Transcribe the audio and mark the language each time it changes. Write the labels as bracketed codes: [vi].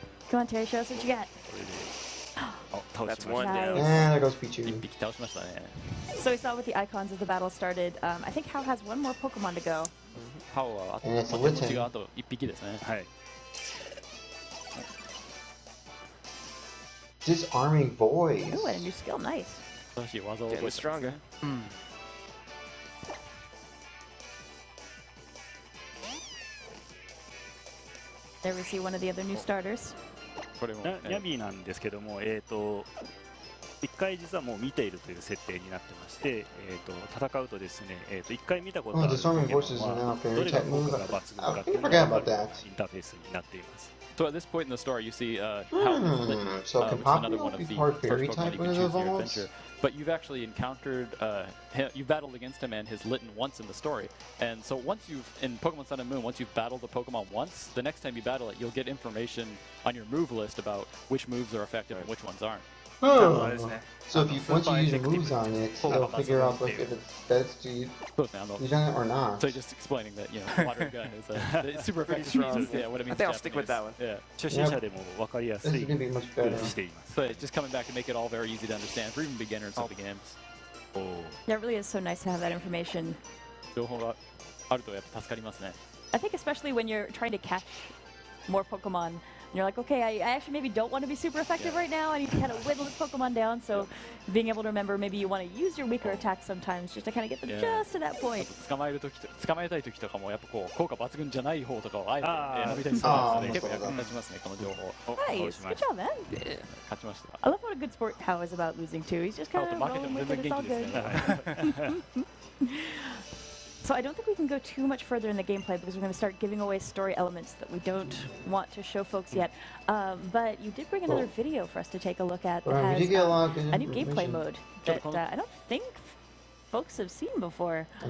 [en] Come on, Terry, show us what you got. That's one down. And there goes Pichu. [ja] 一匹倒しましたね。 [en] So we saw with the icons as the battle started. I think Howl has one more Pokemon to go. [ja] パワーはあと、手持ちがあと1匹ですね。はい。 [en] Disarming boys. Ooh, and a new skill. Nice. She was a little stronger. Mm. There we see one of the other new starters. [ja] Yami なんですけども、一回実はもう見ているという設定になってまして、戦うとですね、一回見たことある。 [en] Disarming voices are now very tech moves. I forget about that. [ja] インターフェースになっています。 [en] So at this point in the story, you see another one of the first Pokemon you can choose in your adventure. But you've actually encountered, you've battled against him and his Litten once in the story. And so once you've, in Pokemon Sun and Moon, once you've battled the Pokemon once, the next time you battle it, you'll get information on your move list about which moves are effective and which ones aren't. So if you, once you use moves on it, it'll figure out like, if it's best to use it or not. So just explaining that, you know, water gun is a super effective strong, yeah, what it means. I think I'll stick with that one. Yeah. Yep. This is going to be much better. So just coming back and make it all very easy to understand for even beginners of the games. Yeah, it really is so nice to have that information. I think especially when you're trying to catch more Pokemon, you're like, okay, I actually maybe don't want to be super effective right now. I need to kind of whittle this Pokemon down. So being able to remember maybe you want to use your weaker attack sometimes just to kind of get them just to that point. [ja] 捕まえたい時とかもやっぱこう効果抜群じゃない方とかをあえて選びたいので結構役に立ちますね、この情報。 [en] Nice! Good job, man! [ja] 勝ちました。 [en] I love what a good sport Hao is about losing too. He's just kind of rolling with it, it's all good. So I don't think we can go too much further in the gameplay because we're going to start giving away story elements that we don't want to show folks yet. But you did bring another video for us to take a look at that has a new gameplay mode that I don't think folks have seen before.